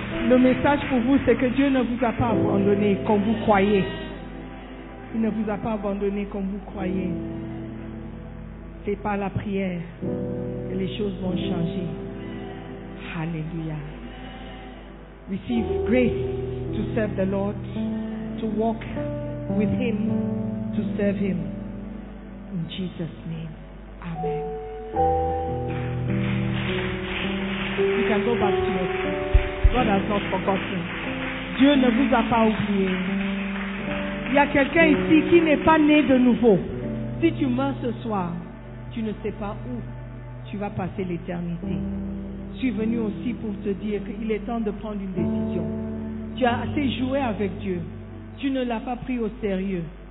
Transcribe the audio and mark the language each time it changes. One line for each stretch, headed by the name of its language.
French: Le message pour vous, c'est que Dieu ne vous a pas abandonné comme vous croyez. Il ne vous a pas abandonné comme vous croyez. C'est par la prière que les choses vont changer. Hallelujah.
English: Receive grace to serve the Lord. To walk with him, to serve him. In Jesus' name. Amen. You can go back to your seat. God has not forgotten.
French: Dieu ne vous a pas oublié. Il y a quelqu'un ici qui n'est pas né de nouveau. Si tu meurs ce soir, tu ne sais pas où tu vas passer l'éternité. Je suis venu aussi pour te dire qu'il est temps de prendre une décision. Tu as assez joué avec Dieu. Tu ne l'as pas pris au sérieux.